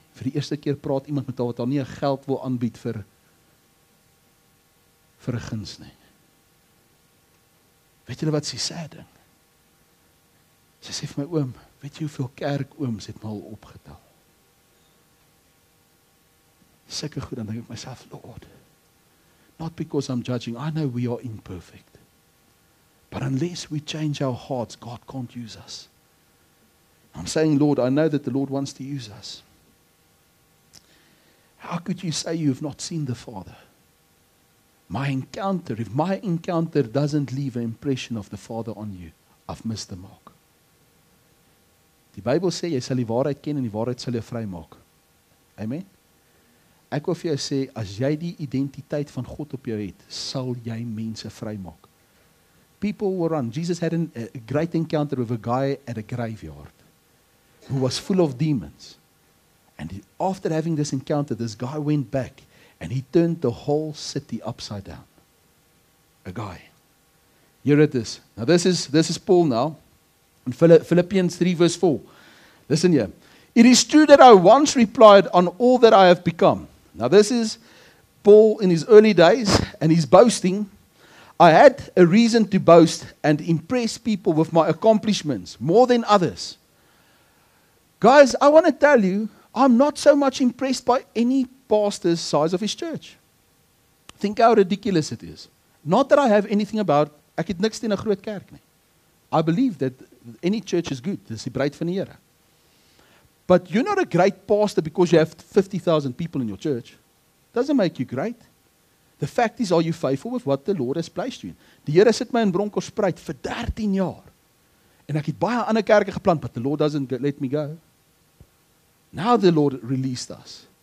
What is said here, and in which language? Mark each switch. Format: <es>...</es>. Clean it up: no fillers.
<af>Vir die eerste keer praat iemand met haar wat haar nie geld wil aanbied vir 'n guns nie. Weet julle wat sy sê ding? Sy sê vir my oom, weet jy hoeveel kerkooms het my al opgetel? Sulke goed, dan dink ek myself,</af> <en>Lord, not because I'm judging, I know we are imperfect. But unless we change our hearts, God can't use us. I'm saying, Lord, I know that the Lord wants to use us. How could you say you have not seen the Father? If my encounter doesn't leave an impression of the Father on you, I've missed the mark.</en> <af>Die Bybel sê, jy sal die waarheid ken en die waarheid sal jou vry maak. Amen? Ek wil vir jou sê, as jy die identiteit van God op jou het, sal jy mense vry maak.</af> <en>People were run. Jesus had a great encounter with a guy at a graveyard who was full of demons. And after having this encounter, this guy went back and he turned the whole city upside down. A guy. Here it is. Now this is Paul now. In Philippians 3 verse 4. Listen here. It is true that I once replied on all that I have become. Now this is Paul in his early days and he's boasting. I had a reason to boast and impress people with my accomplishments more than others. Guys, I want to tell you, I'm not so much impressed by any pastor's size of his church. Think how ridiculous it is. Not that I have anything about,</en> <af>ek het niks teen 'n groot kerk nie.</af> <en>I believe that any church is good.</en> <af>Dis die breed van die Here.</af> <en>But you're not a great pastor because you have 50,000 people in your church. Doesn't make you great. The fact is, are you faithful with what the Lord has placed you in?</en> <af>Die Here sit my in Bronkhorstspruit vir 13 jaar. En ek het baie ander kerke geplant,</af> <en>but the Lord doesn't let me go. Now the Lord released us.</en>